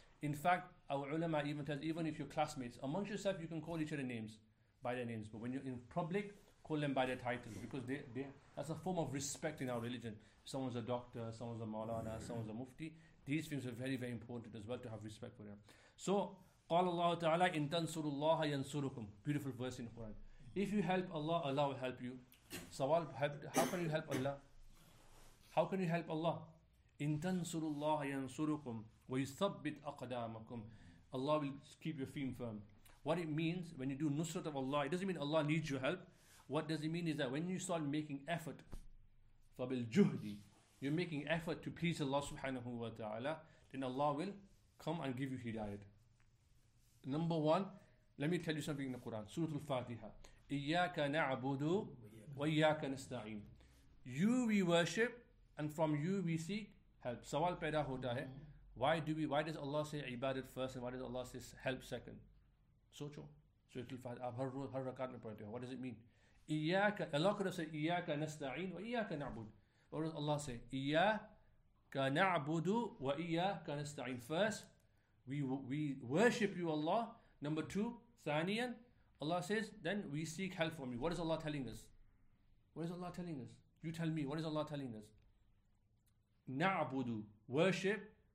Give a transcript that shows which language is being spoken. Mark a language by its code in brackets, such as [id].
[en] In fact, our ulama even tells, even if you're classmates, amongst yourself, you can call each other names, by their names. But when you're in public, call them by their titles, because that's a form of respect in our religion. Someone's a doctor, someone's a maulana, someone's a mufti. These things are very, very important as well, to have respect for them. So, [ar] قال الله تعالى إن تنصروا الله ينصركم. [en] Beautiful verse in the Quran. If you help Allah, Allah will help you. Sawal, how can you help Allah? How can you help Allah? [ar] إن تنصروا الله ينصركم ويثبت أقدامكم. [en] Allah will keep your feet firm. What it means when you do nusrat of Allah, it doesn't mean Allah needs your help. What does it mean is that when you start making effort, فَبِالْجُهْدِ, you're making effort to please Allah subhanahu wa ta'ala, then Allah will come and give you hidayat. Number one, let me tell you something in the Quran, Surah Al-Fatiha. [ar] إِيَّاكَ نَعْبُدُ وَإِيَّاكَ نَسْتَعِينَ. [en] You we worship, and from you we seek help. [ur] سوال پیدا ہوتا ہے, [en] why does Allah say عبادت first, and why does Allah say help second? [ur] سوچو, [en] Surah Al-Fatiha, [ur] ہر رکعت میں پڑھتے ہو, [en] what does it mean? [ar] إياك, [en] Allah could have said [ar] إياك نستعين وإياك نعبد. [en] What does Allah say? [ar] إياك نعبد وإياك نستعين. [en] First, we worship you, Allah. Number two, ثانيا, Allah says, then we seek help from you. What is Allah telling us? What is Allah telling us? You tell me, what is Allah telling us? نعبد, worship.